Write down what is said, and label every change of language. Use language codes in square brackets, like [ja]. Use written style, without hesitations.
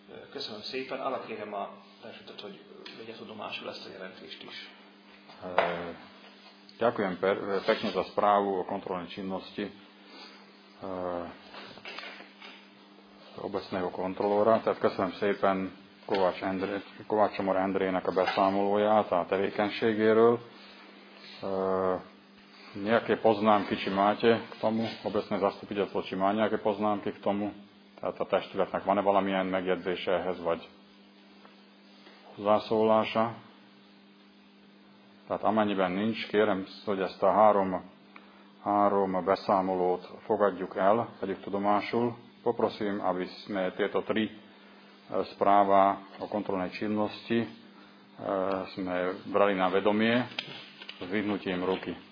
[hu] Köszönöm szépen, arra kérem a testületet, hogy vegye tudomásul ezt a jelentést is. [sk] Ďakujem pekne za správu o kontrolnej činnosti obecného kontrolóra. [hu] Tehát köszönöm szépen Kovács Csomor Endrének a beszámolóját a tevékenységéről. [sk] Nejaké poznámky, či máte k tomu? Obecné zastupiteľstvo, či má nejaké poznámky k tomu? [hu] Tehát a testületnek van-e valamilyen megjegyzése ehhez, vagy zászólása? Tehát amennyiben nincs, kérem, hogy ezt a három beszámolót fogadjuk el, vegyük tudomásul. [sk] Poprosím, aby sme tieto tri správa o kontrolnej činnosti sme brali na vedomie s vyhnutím ruky.